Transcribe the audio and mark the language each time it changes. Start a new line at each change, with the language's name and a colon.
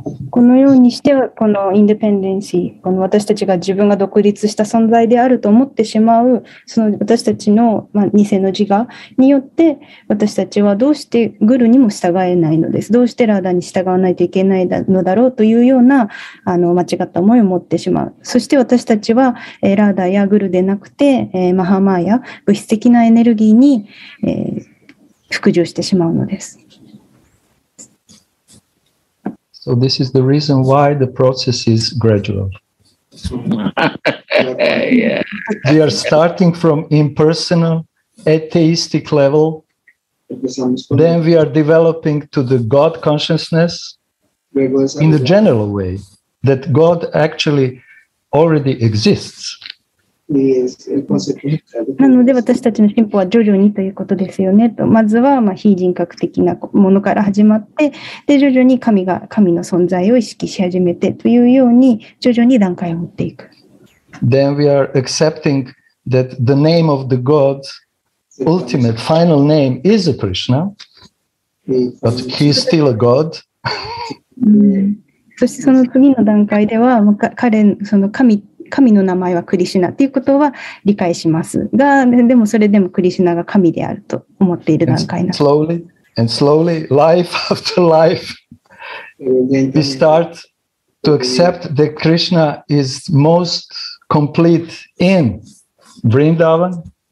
Japanese: このようにしてはこのインデペンデンシー、この私たちが自分が独立した存在であると思ってしまう、その私たちの、偽の自我によって私たちはどうしてグルにも従えないのです、どうしてラーダに従わないといけないのだろうというような間違った思いを持ってしまう。そして私たちはラーダやグルでなくてマハマーや物質的なエネルギーに服従してしまうのです。
English: So this is the reason why the process is gradual. Yeah. We are starting from impersonal, atheistic level. Then we are developing to the God consciousness in the general way that God actually already exists.
Japanese: なので私たちの進歩は徐々にということですよね。とまずは非人格的なものから始まって、で徐々に神が神の存在を意識し始めてというように徐々に段階を持っていく。
English: Then we are accepting that the name of the God's ultimate final name is a Krishna, but he is still a God.
Japanese: そしてその次の段階では彼その神の名前はクリシュナということは理解しますが、でもそれでもクリシュナが神であると思っている段階なんです
English: Slowly and slowly, life after life, we start to accept that Krishna is most complete in Vrindavan.